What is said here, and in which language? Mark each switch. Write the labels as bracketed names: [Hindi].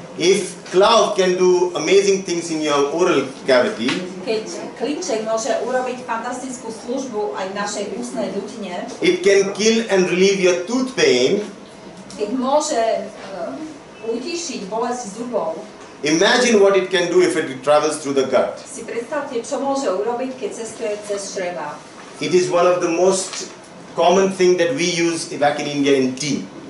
[English] If clove can do amazing things in your oral cavity. [Slovak] Keď klinček môže urobiť fantastickú službu aj v našej ústnej dutine. [English] It can kill and relieve your tooth pain. [Slovak] Keď môže utišiť bolesť zubov. [English] Imagine what it can do if it travels through the gut. [Slovak] Si predstavte, čo môže urobiť, keď cestuje cez čreva. [English] It is one of the most common thing that we use back in India in tea.